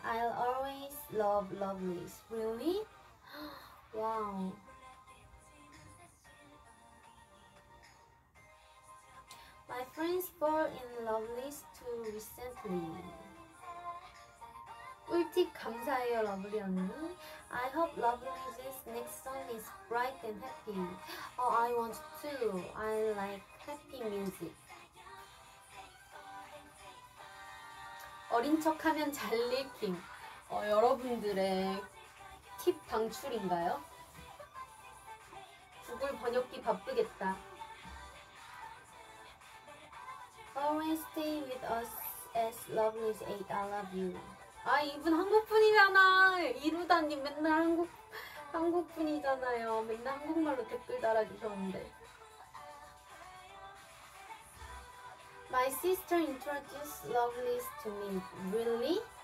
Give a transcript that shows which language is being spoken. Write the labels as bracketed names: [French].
[English] I'll always love lovelies. Really? Wow. My friends fall in lovelies too recently. [Korean] 꿀팁 감사해요, 러블리 언니. [English] I hope Lovely's next song is bright and happy. Oh, I want to. I like happy music. [Korean] 어린 척하면 잘 읽힘. 여러분들의 팁 방출인가요? 구글 번역기 바쁘겠다. [English] Always stay with us as Lovely's 8. I love you. [Korean] 아, 이분 한국분이잖아. 이루다님 맨날 한국 한국분이잖아요. 맨날 한국말로 댓글 달아주셨는데. [English] My sister introduced Lovelies to me. Really?